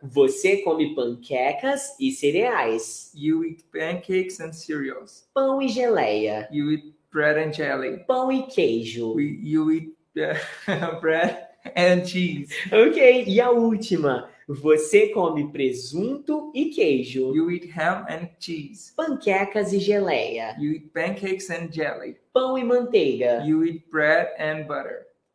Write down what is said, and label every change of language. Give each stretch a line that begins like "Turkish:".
Portuguese: Você come panquecas e cereais.
English: You eat pancakes and cereals.
Portuguese: Pão e geleia.
English: You eat bread and jelly.
Portuguese: Pão e queijo.
English: You eat bread. And cheese.
Portuguese: Ok, e a última. Você come presunto e queijo.
English: You eat ham and cheese.
Portuguese: Panquecas e geleia.
English: You eat pancakes and jelly.
Portuguese: Pão e manteiga.
English: You eat bread and butter.